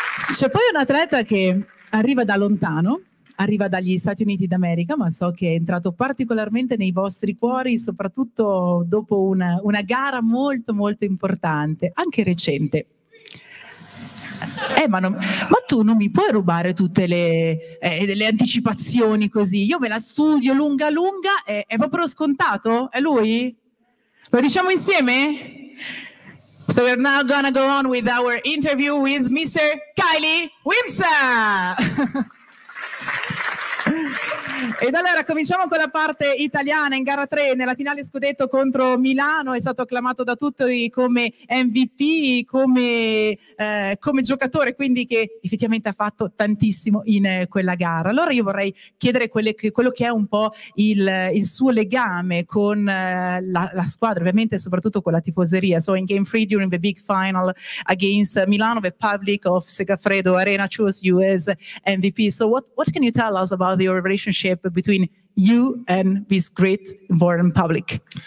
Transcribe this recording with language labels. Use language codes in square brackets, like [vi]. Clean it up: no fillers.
[it] C'è poi un atleta che arriva da lontano, arriva dagli Stati Uniti d'America, ma so che è entrato particolarmente nei vostri cuori, soprattutto dopo una gara molto molto importante, anche recente. Ma tu non mi puoi rubare tutte le anticipazioni così? Io me la studio lunga lunga, è proprio scontato? È lui? Lo diciamo insieme? [en] So we're now gonna go on with our interview with Mr. Kylie Wimsa! [it] Ed allora cominciamo con la parte italiana in gara 3 nella finale scudetto contro Milano, è stato acclamato da tutti come MVP, come giocatore, quindi che effettivamente ha fatto tantissimo in quella gara. Allora io vorrei chiedere quello che è un po' il suo legame con la squadra, ovviamente soprattutto con la tifoseria. [en] So in game 3 during the big final against Milano, the public of Segafredo Arena chose you as MVP. So what can you tell us about your relationship between you and this great important public?